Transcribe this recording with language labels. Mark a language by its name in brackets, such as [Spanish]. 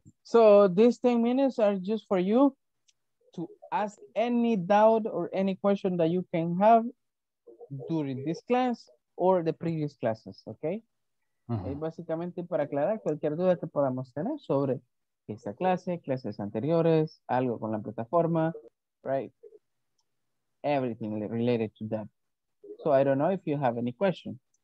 [English] So these 10 minutes are just for you to ask any doubt or any question that you can have during this class or the previous classes, okay? Mm-hmm. [Spanish] Es básicamente para aclarar cualquier duda que podamos tener sobre esta clase, clases anteriores, algo con la plataforma, [English] right? Everything related to that. So I don't know if you have any question.